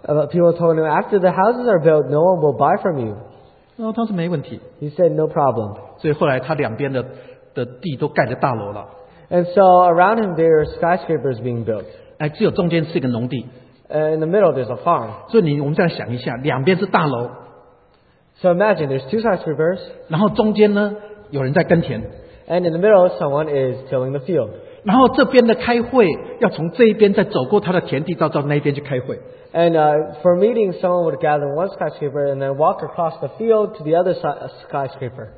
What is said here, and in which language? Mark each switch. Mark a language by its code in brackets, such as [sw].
[en] People told him, "After the houses are built, no one will buy from you." [zh] 然后他说没问题。 [en] He said, "No problem." [zh] 所以后来他两边的地都盖着大楼了。 [en] And so around him there are skyscrapers being built. [zh] 只有中间是一个农地。 [en] And in the middle there's a farm. [zh] 所以我们再想一下，两边是大楼。 [en] So imagine there's two skyscrapers. [zh] 然后中间呢，有人在耕田。 [en] And in the middle someone is tilling the field. [zh] 然后这边的开会要从这边再走过他的田地到那边去开会。 [en] And for meetings someone would gather one skyscraper and then walk across the field to the other skyscraper.